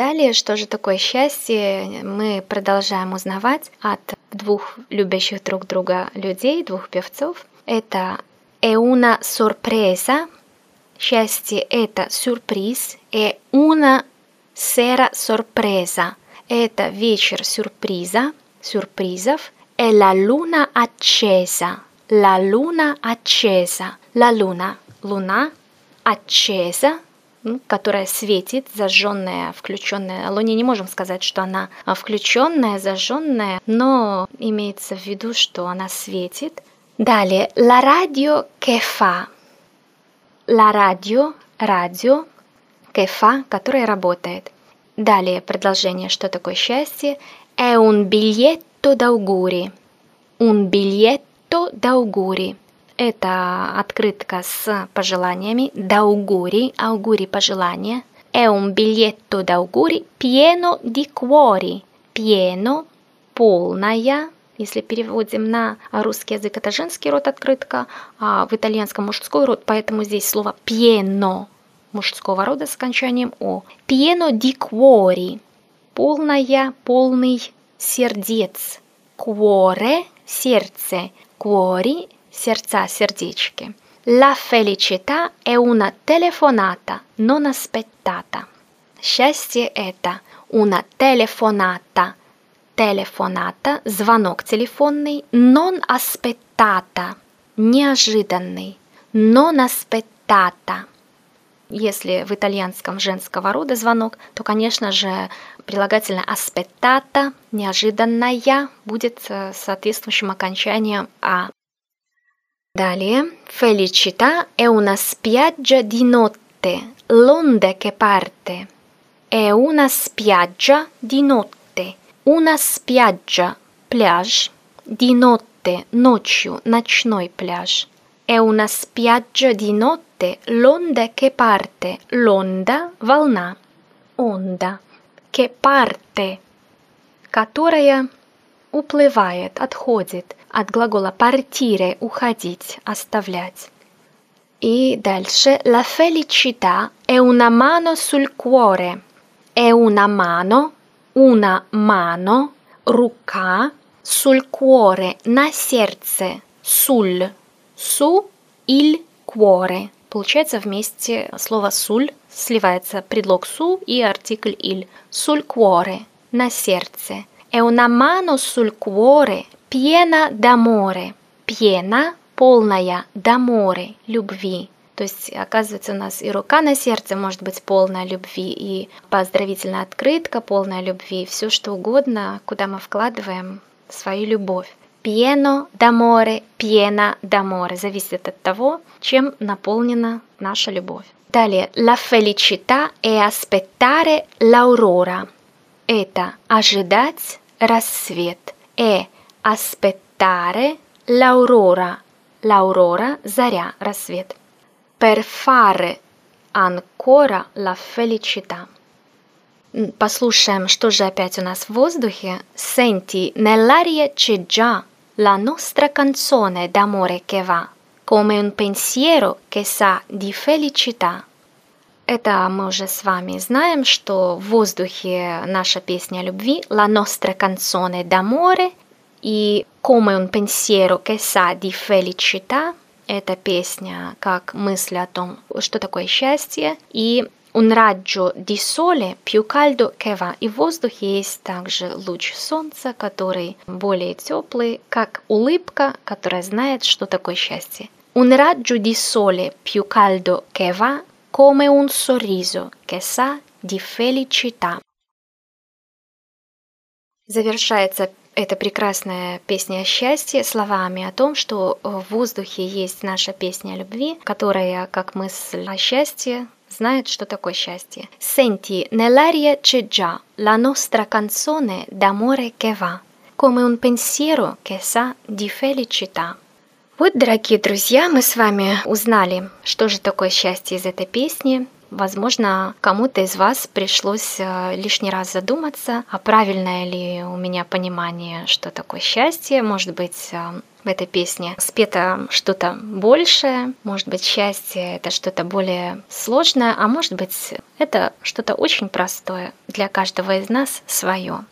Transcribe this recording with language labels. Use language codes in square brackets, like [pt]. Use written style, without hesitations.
[ru] Что же такое счастье, мы продолжаем узнавать от двух любящих друг друга людей, двух певцов. [it] Это «è una sorpresa», [ru] счастье – это сюрприз, [it] «è una sera sorpresa», [ru] это вечер сюрприза, сюрпризов, [it] «è la luna accesa», «la luna accesa», «la luna», «луна accesa», [ru] которая светит, зажженная, включенная. О луне не можем сказать, что она включенная, зажженная, но имеется в виду, что она светит. [it] Далее, la radio che fa. La radio, радио, che fa, [ru] которая работает. Далее, продолжение, что такое счастье. [it] È un biglietto d'auguri. Un biglietto d'auguri. [ru] Это открытка с пожеланиями. [it] D'auguri, auguri, пожелания. È un biglietto d'auguri pieno di cuori. [ru] Pieno, полная. Если переводим на русский язык, это женский род открытка, а в итальянском мужской род, поэтому здесь слово pieno мужского рода с окончанием o. [it] Pieno di cuori. [ru] Полная, полный сердец. Cuore, сердце. Cuori, сердца, сердечки. [it] La felicità è una telefonata non aspettata. [ru] Счастье – это [it] una telefonata. [ru] Telefonata – звонок телефонный. [it] Non aspettata – неожиданный. Non aspettata. [ru] Если в итальянском женского рода звонок, то, конечно же, прилагательное aspettata – неожиданная будет соответствующим окончанием «а». [it] Далее, felicità è una spiaggia di notte. parte, l'onde che parte. È una spiaggia di notte. Una spiaggia, пляж, di notte, [ru] ночью, ночной пляж. [it] È una spiaggia di notte, l'onde che parte. L'onda, волна. Onda. Che parte. [ru] Которая уплывает, отходит. От глагола partire, уходить, оставлять. И дальше. [it] La felicità è una mano sul cuore. È una mano, рука, sul cuore, [ru] на сердце, [it] sul, su, il cuore. [ru] Получается вместе слово sul, сливается предлог su и артикль il. [it] Sul cuore, [ru] на сердце. [it] È una mano sul cuore, piena d'amore. Piena, полная, d'amore, любви. [ru] То есть, оказывается, у нас и рука на сердце может быть полная любви, и поздравительная открытка полная любви, все что угодно, куда мы вкладываем свою любовь. [it] Pieno d'amore, piena d'amore. [ru] Зависит от того, чем наполнена наша любовь. Далее. [it] La felicità è aspettare l'aurora. [ru] Это ожидать рассвет. [it] È aspettare l'aurora. [ru] L'aurora, заря, рассвет. [it] Per fare ancora la felicità. [ru] Послушаем, что же опять у нас в воздухе. [it] Senti, nell'aria c'è già la nostra canzone d'amore che va, come un pensiero che sa di felicità. [ru] Это мы уже с вами знаем, что в воздухе наша песня любви, [it] la nostra canzone d'amore, [ru] и [it] come un pensiero che sa di felicità. [ru] Эта песня как мысль о том, что такое счастье. [it] И un raggio di sole più caldo che va. [ru] И в воздухе есть также луч солнца, который более теплый, как улыбка, которая знает, что такое счастье. [it] Un raggio di sole più caldo che va, come un sorriso che sa di felicità. [ru] Завершается эта прекрасная песня о счастье словами о том, что в воздухе есть наша песня о любви, которая, как мысль о счастье, знает, что такое счастье. [it] Senti, nell'aria c'è già la nostra canzone d'amore che va, come un pensiero che sa di felicità. [ru] Вот, дорогие друзья, мы с вами узнали, что же такое счастье из этой песни. Возможно, кому-то из вас пришлось лишний раз задуматься, а правильное ли у меня понимание, что такое счастье. Может быть, в этой песне спето что-то большее, может быть, счастье — это что-то более сложное, а может быть, это что-то очень простое для каждого из нас свое.